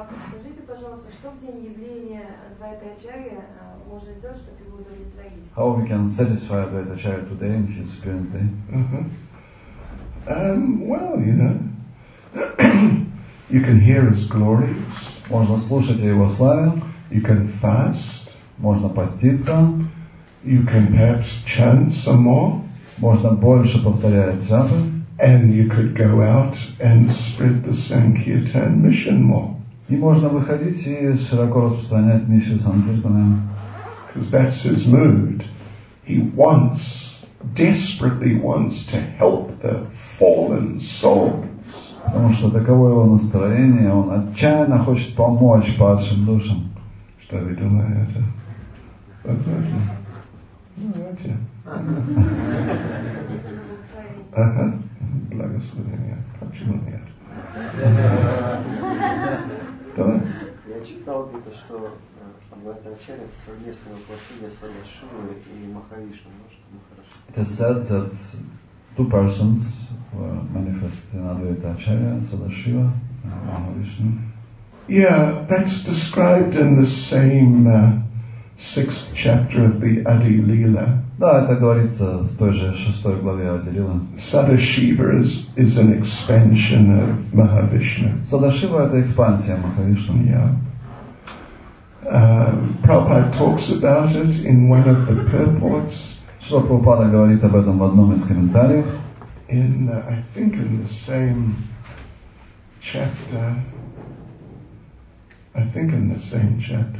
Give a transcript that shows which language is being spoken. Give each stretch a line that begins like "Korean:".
Russian: Скажите, пожалуйста, что в день явления Адвайта Ачарьи можно сделать, чтобы его удовлетворить?
English: How we can satisfy Advaita Acharya today in his appearance day? Well, you know, you can hear his glories.
Russian: Можно слушать его славу.
English: You can fast.
Russian: Можно поститься.
English: You can perhaps chant some more.
Russian: Можно больше повторять джапы.
English: And you could go out and spread the Sankirtan mission more.
Russian: И можно выходить и широко распространять миссию Санкиртана.
English: Because that's his mood. He wants, desperately wants to help the fallen souls.
Russian: Потому что таково его настроение. Он отчаянно хочет помочь падшим душам. Что вы думаете? Давайте. Ага. Благословение. Почему нет? Да. Я читал где-то, что Адвайта Ачарья это совместное воплощение Сада Шивы и Махавишну. Может,
English: хорошо. It is said that two persons were manifested in Advaita Acharya, Sada Shiva and Mahavishnu. Yeah, that's described in the same sixth chapter of the Adi Lila.
Russian: Да, это говорится в той же шестой главе Адилила.
English: Sada Shiva is an expansion of Mahavishnu.
Russian: Sada Shiva — это экспансия Махавишну.
English: Yeah. Prabhupada talks about it in one of the purports.
Russian: Шрила Прабхупада говорит об этом в одном из комментариев.
English: In I think in the same chapter. I think in the same chapter.